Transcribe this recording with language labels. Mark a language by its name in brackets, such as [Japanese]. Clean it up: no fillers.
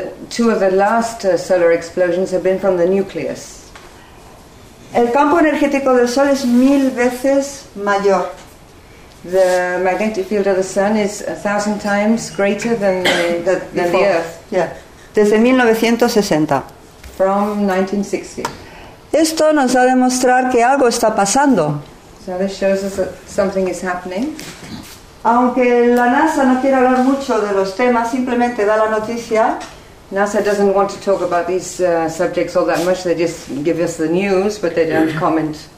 [English] Two of the last solar explosions have been from the nucleus. [Spanish] El campo energético del Sol es 1000 veces mayor. [English] The magnetic field of the Sun is 1000 times greater than the Earth. [Spanish] Yeah. Desde 1960. [English] From 1960. [Spanish] Esto nos va a demostrar que algo está pasando. [English] So this shows us that something is happening. [Spanish] Aunque la NASA no quiere hablar mucho de los temas, simplemente da la noticia. [English] NASA doesn't want to talk about these subjects all that much. They just give us the news, but they don't comment.